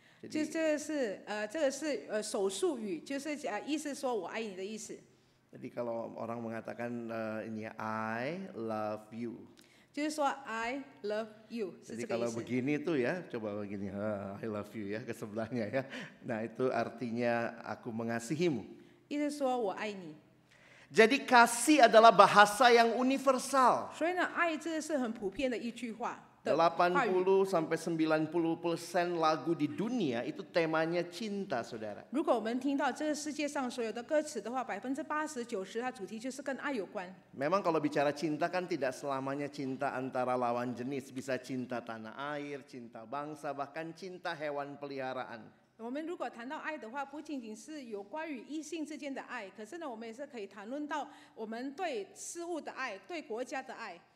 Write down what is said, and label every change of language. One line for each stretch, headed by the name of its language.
Chinese: 这是手术语，就是意思说我爱你的意思。
Indonesian: Jadi kalau orang mengatakan ini I love you.
Chinese: 就是说 I love you.
Indonesian: Jadi kalau begini tuh ya, coba begini I love you ya ke sebelahnya ya. Nah itu artinya aku mengasihimu.
Chinese: 意思说我爱你。
Indonesian: Jadi kasih adalah bahasa yang universal.
Chinese: 所以呢，爱这是很普遍的一句话。
Indonesian: 80-90% lagu di dunia itu temanya cinta, saudara.
Chinese: 如果我们听到这个世界上所有的歌词的话， 80-90% 它主题就是跟爱有关。
Indonesian: Memang kalau bicara cinta kan tidak selamanya cinta antara lawan jenis, bisa cinta tanah air, cinta bangsa, bahkan cinta hewan peliharaan.
Chinese: 我们如果谈到爱的话，不仅仅是有关于异性之间的爱，可是呢，我们也是可以谈论到我们对事物的爱，对国家的爱。